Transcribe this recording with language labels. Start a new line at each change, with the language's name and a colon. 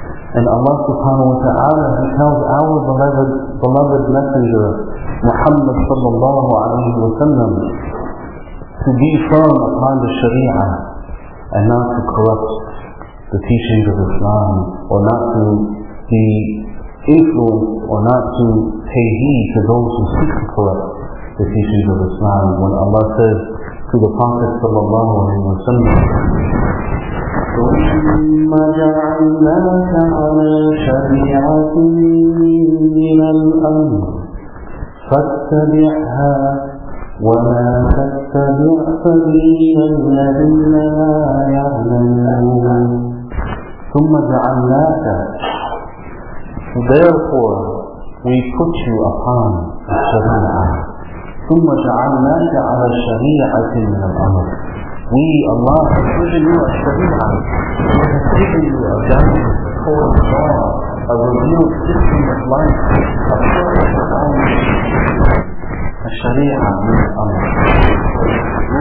English: And Allah subhanahu wa ta'ala, He tells our beloved messenger Muhammad sallallahu alayhi wa sallam to be firm upon the Sharia and not to corrupt the teachings of Islam, or not to be influenced, or not to pay heed to those who seek to corrupt the teachings of Islam. When Allah says to the Prophet sallallahu alayhi wa sallam,
Arabic: ثم جعلناك على شريعة من الأمر فاتبعها ولا تتبع سبيل الذين لا يعلمون. ثم جعلناك,
English: therefore we put you upon the Sharia.
Arabic: ثم جعلناك على شريعة من الأمر.
English: We, Allah, have given you a Sharia. We have given you a guidance, a code of law, a revealed system of life, a purpose of life. A Sharia means Allah.